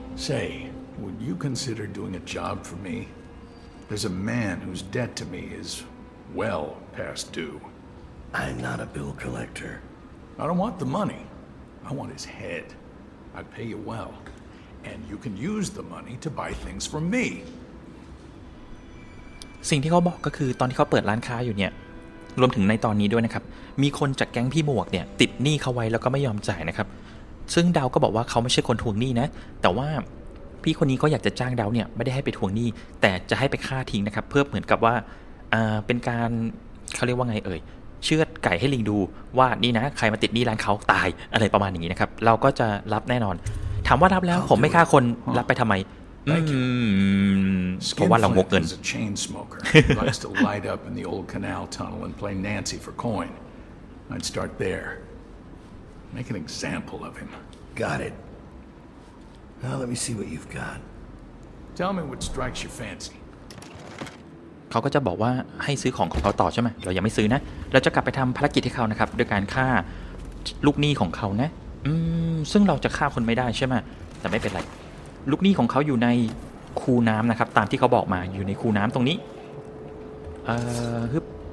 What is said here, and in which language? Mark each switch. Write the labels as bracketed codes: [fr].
[en] Say would you consider doing a job for me There's a man whose debt to me is well past due I'm not a bill collector I don't want the money I want his head I'd pay you well and you can use the money to buy things for me [th] สิ่งที่เขาบอกก็คือตอนที่เขาเปิดร้านค้าอยู่เนี่ยรวมถึงในตอนนี้ด้วยนะครับมีคนจากแก๊งพี่หมวกเนี่ยติดหนี้เขาไว้แล้วก็ไม่ยอมจ่ายนะครับซึ่งดาวก็บอกว่าเขาไม่ใช่คนทวงหนี้นะแต่ว่าพี่คนนี้ก็อยากจะจ้างดาวเนี่ยไม่ได้ให้ไปทวงหนี้แต่จะให้ไปฆ่าทิ้งนะครับเพื่อเหมือนกับว่าเป็นการเขาเรียกว่าไงเอ่ยเชือดไก่ให้ลิงดูว่านี่นะใครมาติดหนี้ร้านเขาตายอะไรประมาณอย่างนี้นะครับเราก็จะรับแน่นอนถามว่ารับแล้วผมไม่ฆ่าคนรับไปทำไม [en] Skinflint is a chain smoker. Likes to light up in the old canal tunnel and play Nancy for coin. I'd start there. Make an example of him. Got it. Now let me see what you've got. Tell me what strikes your fancy. [th] เขาก็จะบอกว่าให้ซื้อของของเขาต่อใช่ไหมเรายังไม่ซื้อนะเราจะกลับไปทำภารกิจให้เขานะครับด้วยการฆ่าลูกหนี้ของเขานะซึ่งเราจะฆ่าคนไม่ได้ใช่ไหมแต่ไม่เป็นไรลูกหนี้ของเขาอยู่ในคูน้ำนะครับตามที่เขาบอกมาอยู่ในคูน้ำตรงนี้ฮึบ